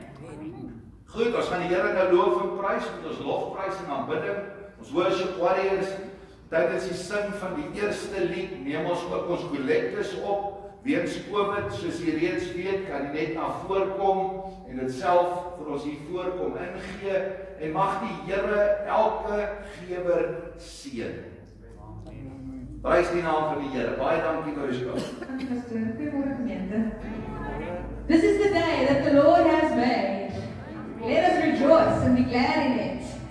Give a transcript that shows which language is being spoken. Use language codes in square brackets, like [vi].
[af] Goed, ons gaan die Here nou loof en prys met ons lofprys en aanbidding. Ons [en] worship warriors. [af] Dit is die sing van die eerste lied. Neem ons ook ons kollektes op. Weens COVID, soos jy reeds weet, kan jy net na voorkom en dit self vir ons hier voorkom ingee en mag die Here elke gewer seën. Amen. Prys die naam van die Here. Baie dankie vir jou skou. [en] This is the day that the Lord has made. Let us rejoice and be glad in it.